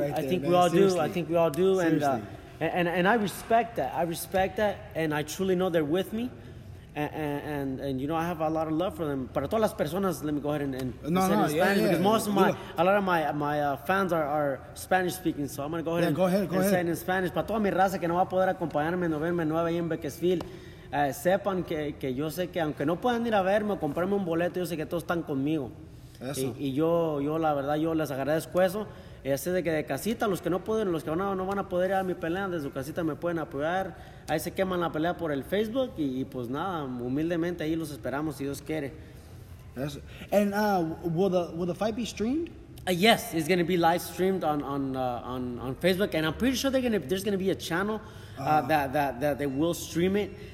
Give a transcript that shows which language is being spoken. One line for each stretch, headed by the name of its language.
English: I think we all do. And I respect that. I respect that. And I truly know they're with me. And you know, I have a lot of love for them.
Spanish: Para todas las personas,
English: let me go ahead and say it in Spanish because most of my fans are Spanish speaking. So I'm going to go ahead and say it in Spanish.
Spanish: Para toda mi raza que no va a poder acompañarme en noviembre 9 en Bakersfield. Sepan que yo sé que aunque no puedan ir a verme o comprarme un boleto, yo sé que todos están conmigo. Y yo la verdad, yo les agradezco eso. Y así de que de casita, los que no pueden, los que no van a poder ir a mi pelea, desde su casita me pueden apoyar. Ahí se queman la pelea por el Facebook y pues nada, humildemente ahí los esperamos si Dios quiere.
English: Will the fight be streamed? Yes, it's going to be live streamed on Facebook, and I'm pretty sure there's going to be a channel that they will stream it.